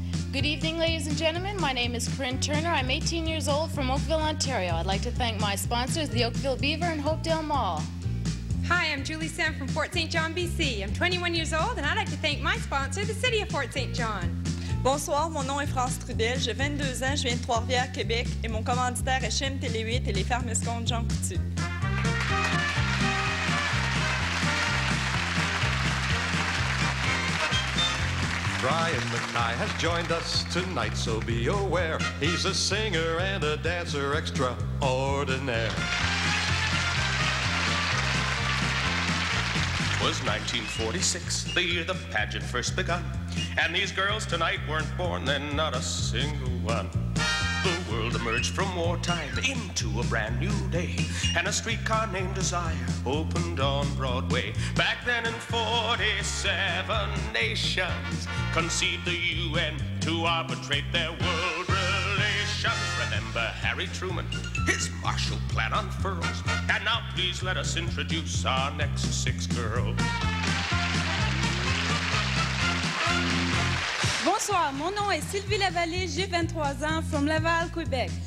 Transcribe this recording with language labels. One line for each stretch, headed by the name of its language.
English: Good evening, ladies and gentlemen. My name is Corinne Turner. I'm 18 years old from Oakville, Ontario. I'd like to thank my sponsors, the Oakville Beaver and Hopedale Mall. Hi, I'm Julie Sam from Fort St. John, B.C. I'm 21 years old, and I'd like to thank my sponsor, the City of Fort St. John.
French: Bonsoir, mon nom est France Trudel. J'ai 22 ans, je viens de Trois-Rivières, Québec, et mon commanditaire est Chim Télé 8 et les fermes Compte Jean Coutu.
English: Brian Mackay has joined us tonight, so be aware. He's a singer and a dancer extraordinaire. 'Twas 1946, the year the pageant first begun. And these girls tonight weren't born then, not a single one. The world emerged from wartime into a brand new day. And a streetcar named Desire opened on Broadway. Back then in 47 nations conceived the UN to arbitrate their world relations. Remember Harry Truman, his Marshall Plan unfurls. And now please let us introduce our next six girls.
French: Bonsoir, mon nom est Sylvie Lavallée, j'ai 23 ans,
English: from Laval, Quebec.